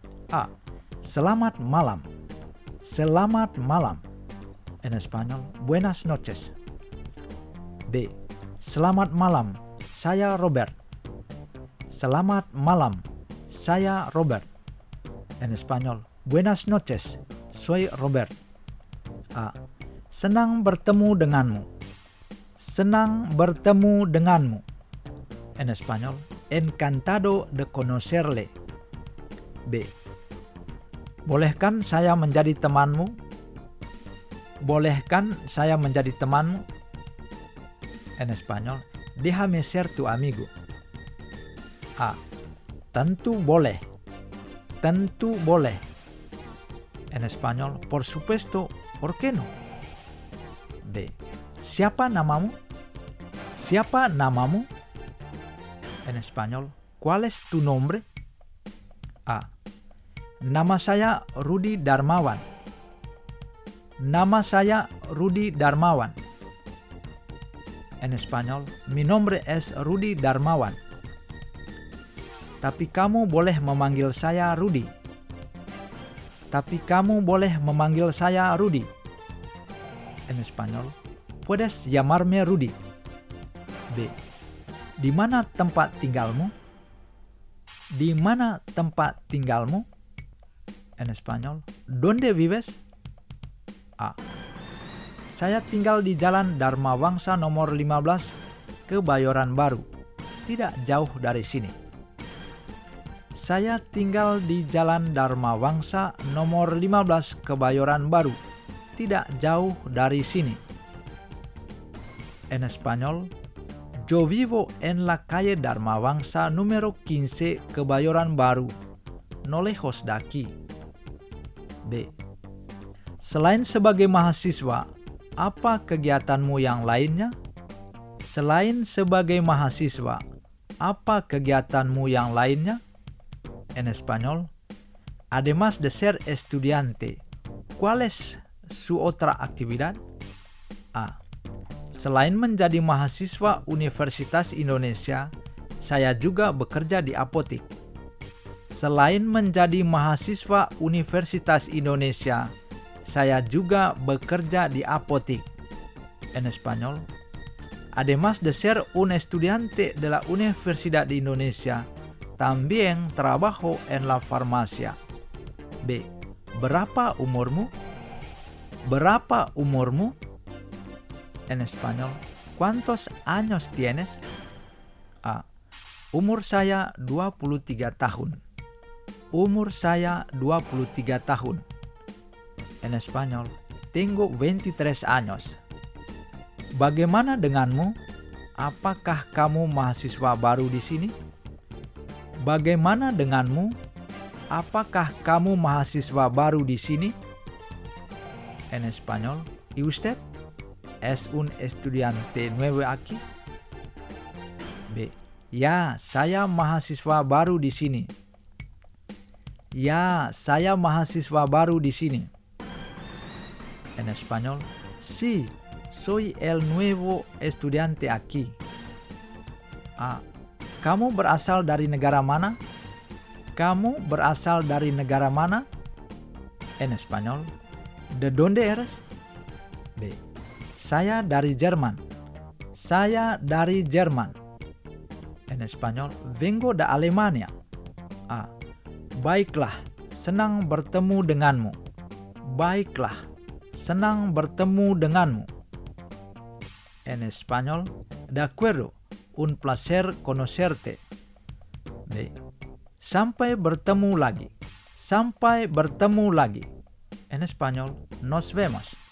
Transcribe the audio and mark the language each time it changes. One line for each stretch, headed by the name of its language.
Indonesian: A. Selamat malam. Selamat malam.
Spanish: En español, buenas noches. B.
Indonesian: Selamat malam. saya Robert. Selamat malam, saya Robert.
Spanish: En español, buenas noches, soy Robert.
Indonesian: Senang bertemu denganmu. Senang bertemu denganmu.
Spanish: En español, encantado de conocerle. B.
Indonesian: Bolehkan saya menjadi temanmu? Bolehkan saya menjadi temanmu?
Spanish: En español, déjame ser tu amigo. A.
Indonesian: Tentu boleh. Tentu boleh.
Spanish: En español, por supuesto, ¿por qué no? B.
Indonesian: Siapa namamu? Siapa namamu?
Spanish: En español, ¿cuál es tu nombre? A.
Indonesian: Nama saya Rudy Darmawan. Nama saya Rudy Darmawan.
Spanish: En español, mi nombre es Rudy Darmawan.
Indonesian: Tapi kamu boleh memanggil saya Rudy. Tapi kamu boleh memanggil saya Rudy.
Spanish: En español, puedes llamarme Rudy. B.
Indonesian: Di mana tempat tinggalmu? Di mana tempat tinggalmu?
Spanish: En español, ¿dónde vives? A.
Indonesian: Saya tinggal di Jalan Dharma Wangsa nomor 15, Kebayoran Baru, tidak jauh dari sini. Saya tinggal di Jalan Dharma Wangsa nomor 15, Kebayoran Baru, tidak jauh dari sini.
Spanish: En español, yo vivo en la calle Dharma Wangsa número 15, Kebayoran Baru, no lejos de aquí. B.
Indonesian: Selain sebagai mahasiswa, apa kegiatanmu yang lainnya? Selain sebagai mahasiswa, apa kegiatanmu yang lainnya?
Spanish: En español, además de ser estudiante, ¿cuál es su otra actividad? A.
Indonesian: Selain menjadi mahasiswa Universitas Indonesia, saya juga bekerja di apotek. Selain menjadi mahasiswa Universitas Indonesia, saya juga bekerja di apotek.
Spanish: En español, además de ser un estudiante de la Universidad de Indonesia, también trabajo en la farmacia.
Indonesian: B. Berapa umurmu? Berapa umurmu?
Spanish: En español, ¿cuántos años tienes?
Indonesian: A. Umur saya 23 tahun. Umur saya 23 tahun.
Spanish: En español, tengo 23 años.
Indonesian: Bagaimana denganmu? Apakah kamu mahasiswa baru di sini? Bagaimana denganmu? Apakah kamu mahasiswa baru di sini?
Spanish: En español, ¿y usted? ¿Es un estudiante nuevo aquí?
Indonesian: B. Ya, saya mahasiswa baru di sini. Ya, saya mahasiswa baru di sini.
Spanish: En español, sí, soy el nuevo estudiante aquí. A.
Indonesian: Kamu berasal dari negara mana? Kamu berasal dari negara mana?
Spanish: En español, ¿de dónde eres?
Indonesian: B. Saya dari Jerman. Saya dari Jerman.
Spanish: En español, vengo de Alemania. A.
Indonesian: Baiklah, senang bertemu denganmu. Baiklah, senang bertemu denganmu.
Spanish: En español, de acuerdo, un placer conocerte.
Indonesian: B. Sampai bertemu lagi. Sampai bertemu lagi.
Spanish: En español, nos vemos.